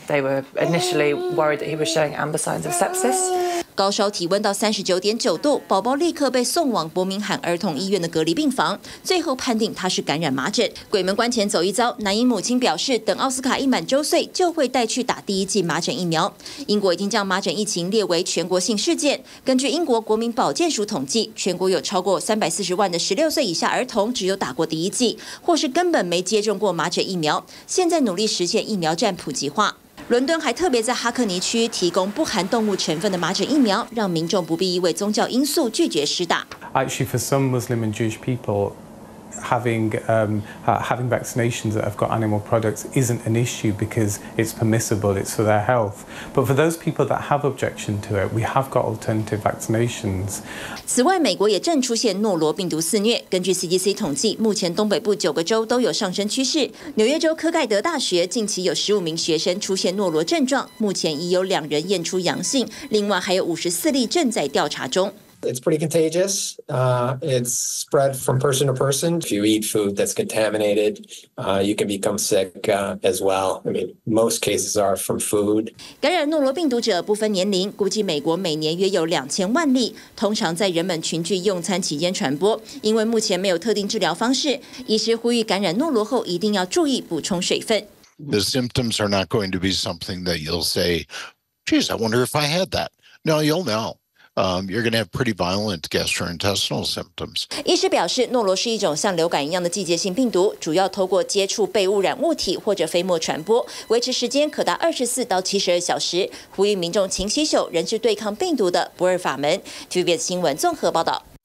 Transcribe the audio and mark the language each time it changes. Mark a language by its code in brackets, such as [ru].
[en] They were initially worried that he was showing amber signs of sepsis. [zh] 高烧体温到39.9度，宝宝立刻被送往伯明翰儿童医院的隔离病房，最后判定他是感染麻疹。鬼门关前走一遭，男婴母亲表示，等奥斯卡一满周岁就会带去打第一剂麻疹疫苗。英国已经将麻疹疫情列为全国性事件。根据英国国民保健署统计，全国有超过340万的16岁以下儿童只有打过第一剂，或是根本没接种过麻疹疫苗。现在努力实现疫苗站普及化。伦敦还特别在哈克尼区提供不含动物成分的麻疹疫苗，让民众不必因为宗教因素拒绝施打。 [en] Actually, for some Muslim and Jewish people, having vaccinations that have got animal products isn't an issue because it's permissible, it's for their health. But for those people that have objection to it, we have got alternative vaccinations. [zh] 此外，美国也正出现诺罗病毒肆虐。根据 CDC 统计，目前东北部9个州都有上升趋势。纽约州科盖德大学近期有15名学生出现诺罗症状，目前已有2人验出阳性，另外还有54例正在调查中。 [en] It's pretty contagious. It's spread from person to person. If you eat food that's contaminated, you can become sick as well. I mean, most cases are from food. [zh] 感染诺罗病毒者不分年龄，估计美国每年约有2000万例，通常在人们群聚用餐期间传播。因为目前没有特定治疗方式，医师呼吁感染诺罗后一定要注意补充水分。 [en] The symptoms are not going to be something that you'll say, "Geez, I wonder if I had that." No, you'll know. You're going to have pretty violent gastrointestinal symptoms. [zh] 医师表示，诺罗是一种像流感一样的季节性病毒，主要透过接触被污染物体或者飞沫传播，维持时间可达24到72小时。呼吁民众勤洗手，仍是对抗病毒的不二法门。 TVBS 新闻综合报道。